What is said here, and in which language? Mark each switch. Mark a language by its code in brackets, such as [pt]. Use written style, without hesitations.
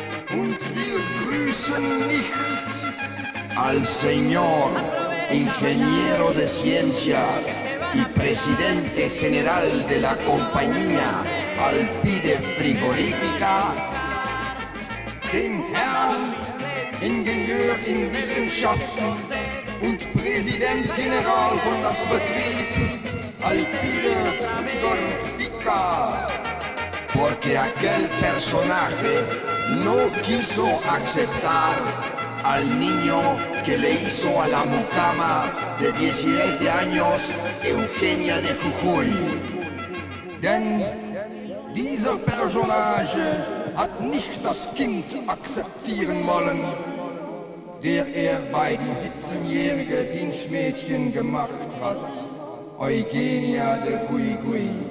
[de] Und wir grüßen nicht [es] al señor ingeniero de ciencias y presidente general de la compañía Alpide Frigorífica, [de] den Herrn Ingenieur in Wissenschaften und Präsident General von das Betrieb Alpide Frigorífica, [es] porque aquel personaje no quiso aceptar al niño que le hizo a la mucama de 17 años Eugenia de Jujuy. [de] Denn dieser Personage hat nicht das Kind akzeptieren wollen, der er bei die 17-jährige Dienstmädchen gemacht hat, Eugenia de Jujuy.